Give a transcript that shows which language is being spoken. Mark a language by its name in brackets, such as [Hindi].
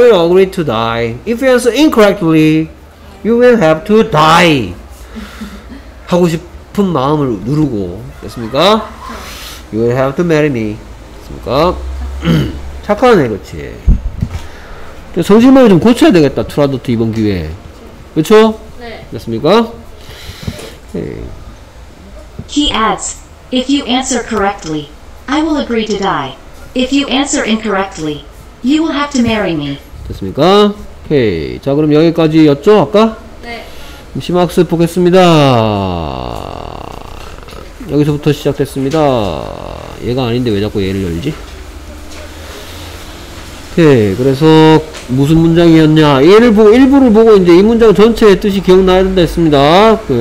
[English] I will agree to die if you answer incorrectly you will have to die [Korean] 하고 싶은 마음을 누르고 됐습니까? [English] You will have to marry me [Korean] 됐습니까? 착하네 그렇지 성질머리 좀 고쳐야 되겠다 투라도트 이번 기회에 그쵸? 네 됐습니까? 네. [English] He adds If you answer correctly I will agree to die If you answer incorrectly You will have to marry me [Korean] 됐습니까? 오케이 자 그럼 여기까지였죠 아까? 심학습 보겠습니다. 여기서부터 시작됐습니다. 얘가 아닌데 왜 자꾸 얘를 열지? 오케이. 그래서 무슨 문장이었냐. 얘를 보고, 일부를 보고 이제 이 문장 전체의 뜻이 기억나야 된다 했습니다.